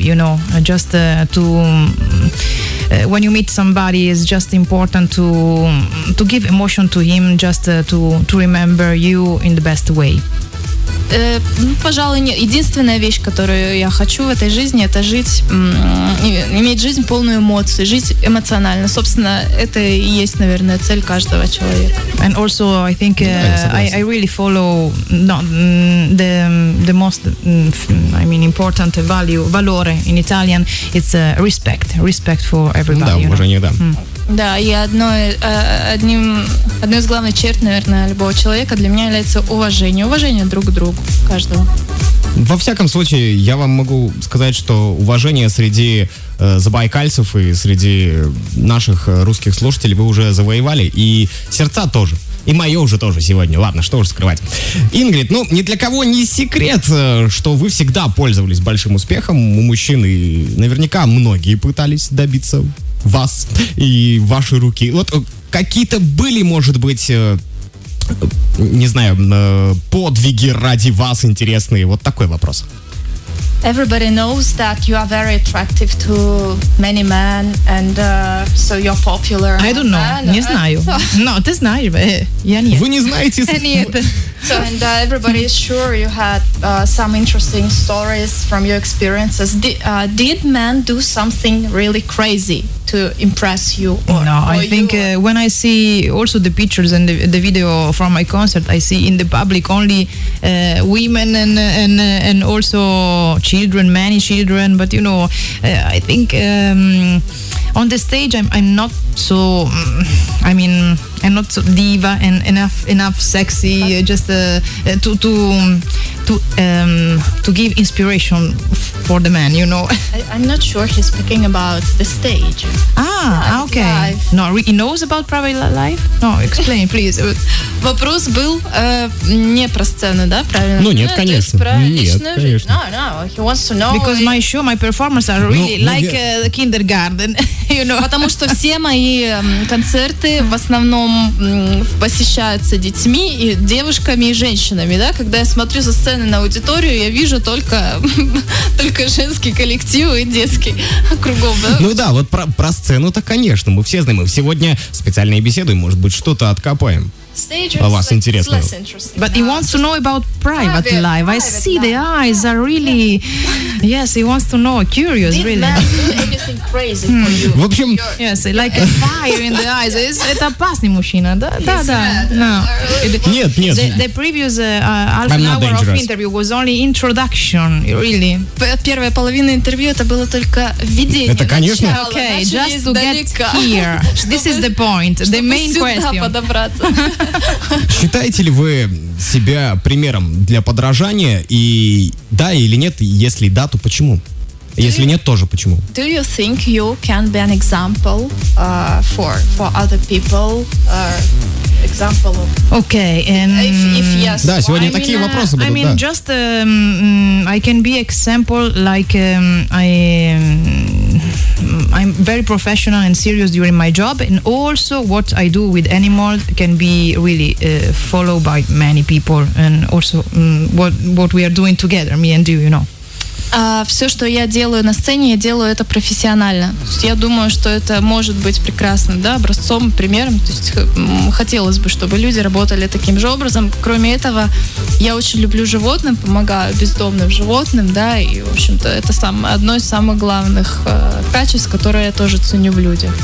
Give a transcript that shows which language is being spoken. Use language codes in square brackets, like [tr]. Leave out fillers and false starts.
[en] You know, just to when you meet somebody, it's just important to give emotion to him, just to remember you in the best way. [ru] Ну, пожалуй, не. Единственная вещь, которую я хочу в этой жизни, это иметь жизнь полную эмоций, жить эмоционально. Собственно, это и есть, наверное, цель каждого человека. [en] And also, I think I really follow the most, I mean, important value, valore in Italian, it's respect for everybody. [ru] Да, уважение, да. Да, и одной из главных черт, наверное, любого человека для меня является уважение. Уважение друг к другу, каждого. Во всяком случае, я вам могу сказать, что уважение среди забайкальцев и среди наших русских слушателей вы уже завоевали. И сердца тоже. И мое уже тоже сегодня. Ладно, что уж скрывать. Ингрид, ну, ни для кого не секрет, что вы всегда пользовались большим успехом у мужчин. И наверняка многие пытались добиться вас и ваши руки. Вот какие-то были, может быть, не знаю, подвиги ради вас интересные? Вот такой вопрос. [en] Everybody knows that you are very attractive to many men, and so you're popular. I don't know. [ru] Не знаю. [en] No, [ru] ты знаешь. Я нет. Вы не знаете. Нет. [en] So, and everybody is sure you had some interesting stories from your experiences. Did men do something really crazy to impress you? I think when I see also the pictures and the video from my concert, I see in the public only women and also children, many children. But you know, I think on the stage I'm not so. I mean, I'm not so diva and enough sexy. Just to give inspiration for the man, you know. I'm not sure he's speaking about the stage. Okay. Life. No, he knows about private life? No, explain, please. [ru] Вопрос был не про сцену, да, правильно? Ну нет, конечно. Про личную жизнь. [en] No, he wants to know. Because my show, my performance are really like kindergarten, you know. [ru] Потому что все мои концерты в основном посещаются детьми и девушками и женщинами, да? Когда я смотрю со сцены на аудиторию, я вижу только женский коллектив и детский кругом, да? Ну да, вот про сцену-то, конечно, мы все знаем. Мы сегодня специально беседуем, может быть, что-то откопаем. о вас интересно. [en] But he wants to know about private life. I see the eyes are really... Yes, he wants to know, curious, really. [ru] В общем... [en] Yes, like a fire in the eyes. [ru] Это опасный мужчина, да? Да-да. Нет, нет. [en] The previous half an hour of interview was only introduction, really. [ru] Первая половина интервью это было только введение. Это, конечно. [en] Okay, just to get here. This is the point, the main question. [ru] Считаете ли вы себя примером для подражания? И да или нет? Если да, то почему? Если нет, тоже почему? [en] Do you think you can be an example for other people? Example. Okay, and if yes. [ru] Да, сегодня такие вопросы будут. [en] I mean, just I can be example like I'm very professional and serious during my job, and also what I do with animals can be really followed by many people, and also what we are doing together, me and you know. [ru] Все, что я делаю на сцене, я делаю это профессионально. То есть я думаю, что это может быть прекрасным, да, образцом, примером. То есть хотелось бы, чтобы люди работали таким же образом. Кроме этого, я очень люблю животных, помогаю бездомным животным, да, и, в общем-то, это одно из самых главных качеств, которые я тоже ценю в людях.